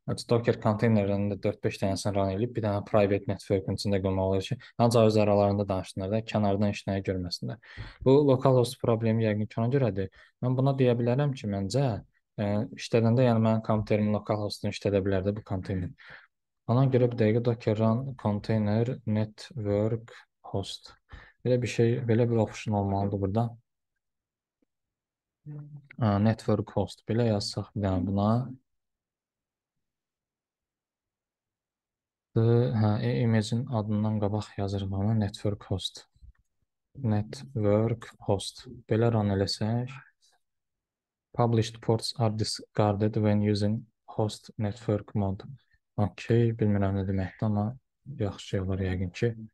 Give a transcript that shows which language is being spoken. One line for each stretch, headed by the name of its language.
Azerbaijani: Docker container'ın 4-5 tanesini run eləyib, bir tane private network'ın içində qurmaq olur ki, ancaq öz aralarında danışsınlar da, kənardan iş nəyi görməsinlər. Bu localhost problemi yəqin ki, ona görədir. Mən buna deyə bilərəm ki, məncə, işlədəndə, yəni mənim komputerim localhost'unu işlədə bilərdi bu container. Ona görə bir dəqiqə Docker run container network host. Belə bir şey, belə bir option olmalıdır burada. Network host belə yazsaq bir dənə buna. Imagine adından qabaq yazırıq ona network host. Network host. Belə run eləsək.
English: Published ports are discarded when using host network mode.
Azerbaijani: Okay, bilmirəm nə deməkdir ama yaxşı şey var yəqin ki.